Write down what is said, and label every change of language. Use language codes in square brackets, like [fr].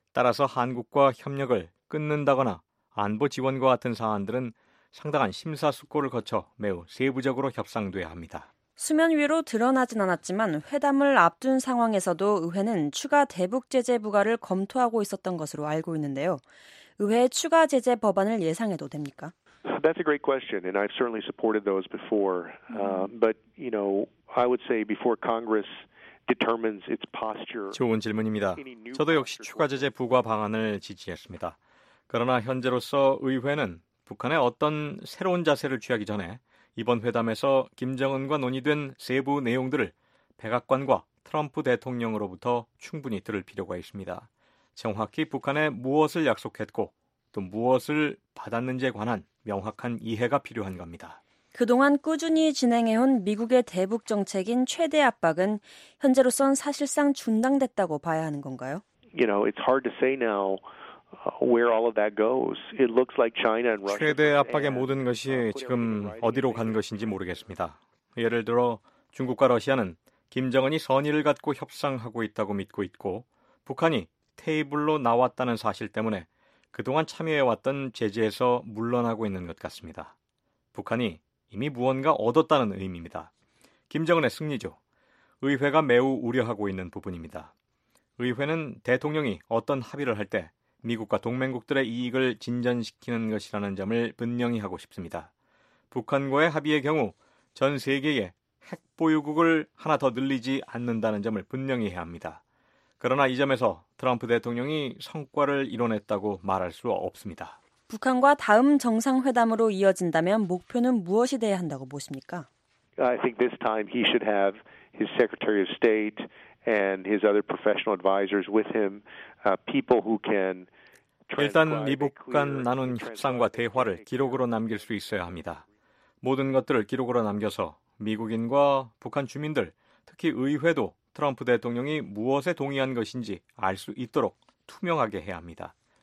[ko] 따라서 한국과 협력을 끊는다거나 안보 지원과 같은 사안들은 상당한 심사숙고를 거쳐 매우 세부적으로 협상돼야 합니다. 수면 위로 드러나진 않았지만 회담을 앞둔 상황에서도 의회는 추가 대북 제재 부과를 검토하고 있었던 것으로 알고 있는데요. 의회의 추가 제재 법안을 예상해도 됩니까? [en] That's a great question, and I've certainly supported those before. But you know, I would say before Congress determines its posture. [ko] 좋은 질문입니다. 저도 역시 추가 제재 부과 방안을 지지했습니다. 그러나 현재로서 의회는 북한의 어떤 새로운 자세를 취하기 전에 이번 회담에서 김정은과 논의된 세부 내용들을 백악관과 트럼프 대통령으로부터 충분히 들을 필요가 있습니다. 정확히 북한에 무엇을 약속했고 또 무엇을 받았는지에 관한 명확한 이해가 필요한 겁니다. 그동안 꾸준히 진행해온 미국의 대북 정책인 최대 압박은 현재로선 사실상 중단됐다고 봐야 하는 건가요? [en] You know, it's hard to say now. Where all of that goes, it looks like China and Russia. [ko] 최대 압박의 모든 것이 지금 어디로 간 것인지 모르겠습니다. 예를 들어 중국과 러시아는 김정은이 선의를 갖고 협상하고 있다고 믿고 있고 북한이 테이블로 나왔다는 사실 때문에 그동안 참여해왔던 제재에서 물러나고 있는 것 같습니다. 북한이 이미 무언가 얻었다는 의미입니다. 김정은의 승리죠. 의회가 매우 우려하고 있는 부분입니다. 의회는 대통령이 어떤 합의를 할 때 미국과 동맹국들의 이익을 진전시키는 것이라는 점을 분명히 하고 싶습니다. 북한과의 합의의 경우 전 세계에 핵 보유국을 하나 더 늘리지 않는다는 점을 분명히 해야 합니다. 그러나 이 점에서 트럼프 대통령이 성과를 이뤄냈다고 말할 수 없습니다. 북한과 다음 정상회담으로 이어진다면 목표는 무엇이 돼야 한다고 보십니까? [en] I think this time he should have his Secretary of State and his other professional advisors with him. People who can [ko] 일단 미북 간 나눈 협상과 대화를 기록으로 남길 수 있어야 합니다. 모든 것들을 기록으로 남겨서 미국인과 북한 주민들, 특히 의회도 트럼프 대통령이 무엇에 동의한 것인지 알 수 있도록 투명하게 해야 합니다.